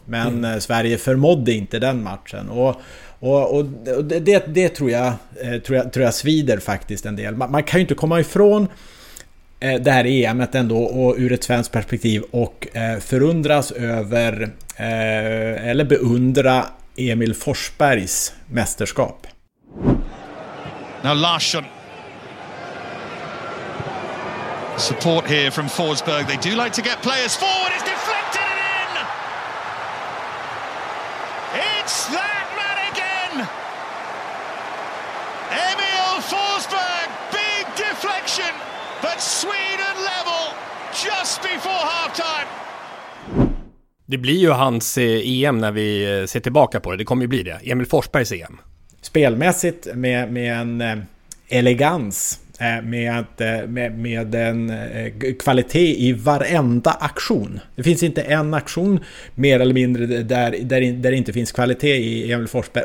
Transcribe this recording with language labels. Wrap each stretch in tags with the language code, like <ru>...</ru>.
<sv>Men Sverige förmådde inte den matchen. Och det tror jag svider faktiskt en del. Man kan ju inte komma ifrån det här EM:et ändå och ur ett svenskt perspektiv och förundras över eller beundra Emil Forsbergs mästerskap.</sv> <en>Now Larsson. Support here from Forsberg. They do like to get players forward. It's deflected and in. It's that man again. Emil Forsberg, big deflection. But Sweden level just before halftime.</en> <sv>Det blir ju hans EM när vi ser tillbaka på det. Det kommer ju bli det. Emil Forsbergs EM. Spelmässigt med en elegans. Med en kvalitet i varenda aktion. Det finns inte en aktion mer eller mindre där det inte finns kvalitet i Emil Forsberg.</sv>